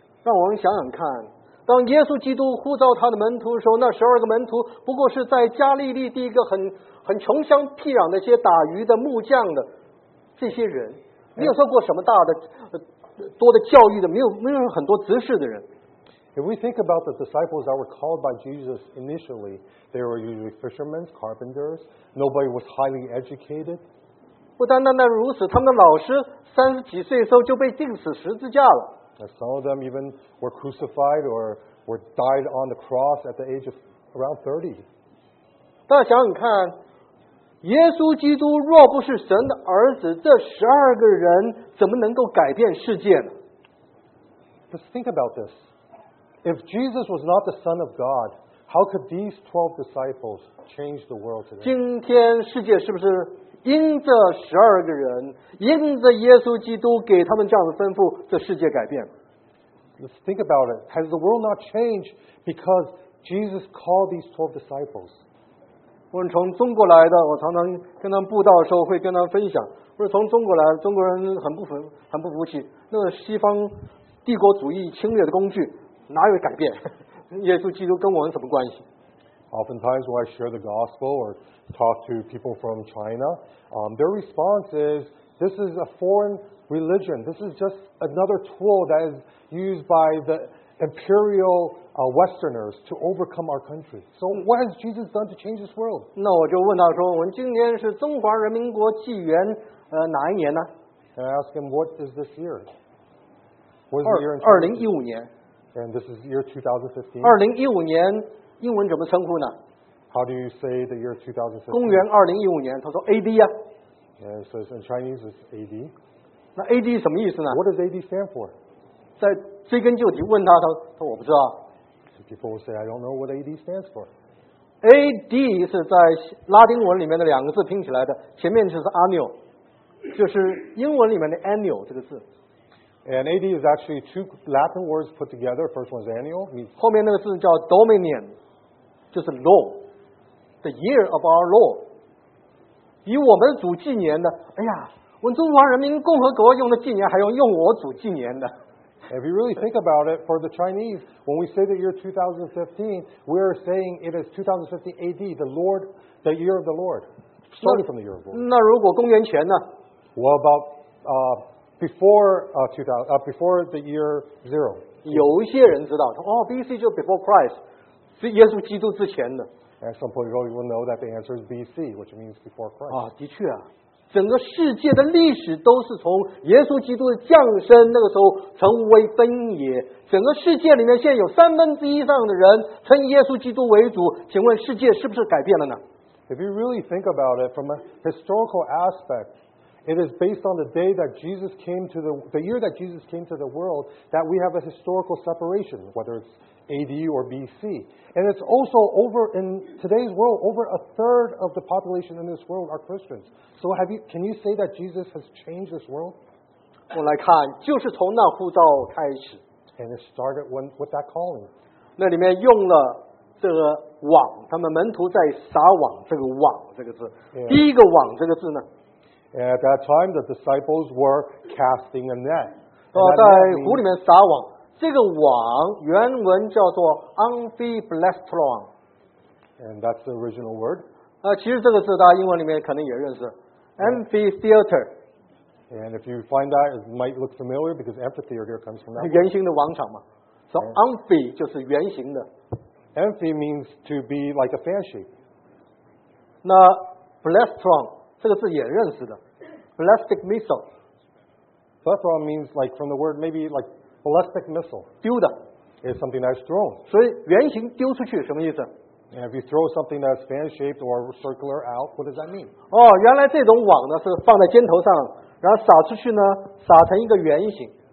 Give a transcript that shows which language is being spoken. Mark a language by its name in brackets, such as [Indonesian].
[Chinese] 让我们想想看，当耶稣基督呼召他的门徒的时候，那十二个门徒不过是在加利利地一个很穷乡僻壤的一些打鱼的木匠的这些人，没有受过什么大的多的教育的，没有很多知识的人。 [English] If we think about the disciples that were called by Jesus initially, they were usually fishermen, carpenters. Nobody was highly educated. [Chinese] 不单单如此，他们的老师三十几岁的时候就被钉死十字架了。 [English] Some of them even were crucified or were died on the cross at the age of around 30. [Chinese] 大家想想看，耶稣基督若不是神的儿子，这十二个人怎么能够改变世界呢？ [English] Let's think about this. If Jesus was not the Son of God, how could these 12 disciples change the world today? [Chinese] 今天世界是不是因着十二个人，因着耶稣基督给他们这样的吩咐，这世界改变？ [English] Let's think about it. Has the world not changed because Jesus called these 12 disciples? [Chinese] 我从中国来的，我常常跟他们布道的时候会跟他们分享，我从中国来的，中国人很不服气，那西方帝国主义侵略的工具。哪有改变？耶稣基督跟我们什么关系？ [English] Oftentimes when I share the gospel or talk to people from China, their response is, this is a foreign religion. This is just another tool that is used by the imperial Westerners to overcome our country. So what has Jesus done to change this world? [Chinese] 那我就问他说，我们今年是中华人民国纪元哪一年呢？ [English] And I ask him, what is this year? What is the year in [Chinese] 2015年。 [English] And this is year 2015. [Chinese] 2015年英文怎么称呼呢？ [English] How do you say the year 2015? [Chinese] 公元2015年，他说 AD 啊。 [English] And it says in Chinese it's AD. [Chinese] 那 AD 什么意思呢？ [English] What does AD stand for? [Chinese] 在追根究底问他，他说我不知道。 [English] So people will say I don't know what AD stands for. [Chinese] AD 是在拉丁文里面的两个字拼起来的，前面就是 annual， 就是英文里面的 annual 这个字。 [English] And AD is actually two Latin words put together. First one is annual. [Chinese] 后面那个字叫 dominion， 就是 law， [English] the year of our law。 [Chinese] 以我们主纪年的，哎呀，我们中华人民共和国用的纪年，还要用我主纪年的。 [English] If you really think about it, for the Chinese, when we say the year 2015, we are saying it is 2015 AD, the Lord, the year of the Lord, starting from the year of the Lord. [Chinese] 那如果公元前呢？ [English] What about before the year zero. [Chinese] 有一些人知道，说哦 ，B.C. 就 [English] before Christ， [Chinese] 是耶稣基督之前的。 [English] And some people will know that the answer is B.C., which means before Christ. [Chinese] 啊，的确啊，整个世界的历史都是从耶稣基督的降生那个时候成为分野。整个世界里面现在有三分之一上的人称耶稣基督为主。请问世界是不是改变了呢 [English] ？If you really think about it from a historical aspect. It is based on the day that Jesus came to the year that Jesus came to the world that we have a historical separation, whether it's AD or BC. And it's also over in today's world, over a third of the population in this world are Christians. So can you say that Jesus has changed this world? [Chinese] 我来看，就是从那呼召开始。 [English] And it started with that calling. [Chinese] 那里面用了这个网，他们门徒在撒网，这个网这个字， [English] yeah. [Chinese] 第一个网这个字呢？ [English] At that time, the disciples were casting a net. [Chinese] 在湖里面撒网。这个网原文叫做 amphiblestron. [English] And that's the original word. [Chinese] 其实这个字大家英文里面可能也认识 amphitheater. [English] And if you find that, it might look familiar because amphitheater comes from that. [Chinese] 圆形的广场嘛。 [English] So [Chinese] amphi 就是圆形的。 [English] Amphi means to be like a fan shape. [Chinese] 那 blestron. 这个字也认识的 ，ballistic missile。 [English] Ballistic means like from the word maybe like ballistic missile [Chinese] 丢的 [English] ，is something that's thrown。 [Chinese] 所以圆形丢出去什么意思 [English] ？And if you throw something that's fan shaped or circular out, what does that mean？ [Chinese] 哦，原来这种网呢是放在肩头上，然后撒出去呢，撒成一个圆形。